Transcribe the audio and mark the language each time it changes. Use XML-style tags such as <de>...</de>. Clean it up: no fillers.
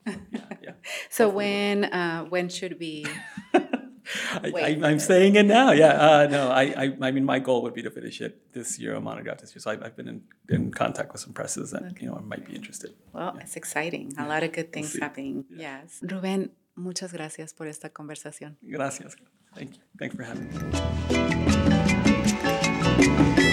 <en>So, so when should we wait? I'm saying it now. Yeah. No, I mean, my goal would be to finish it this year, a monograph this year. So I've been in contact with some presses that, okay. You know, I might be interested. Well, yeah. It's exciting. A lot of good things we'll happening. Yeah. Yes.</en> <es>Rubén, muchas gracias por esta conversación. Gracias.</es> <en>Thank you. Thanks for having me.</en>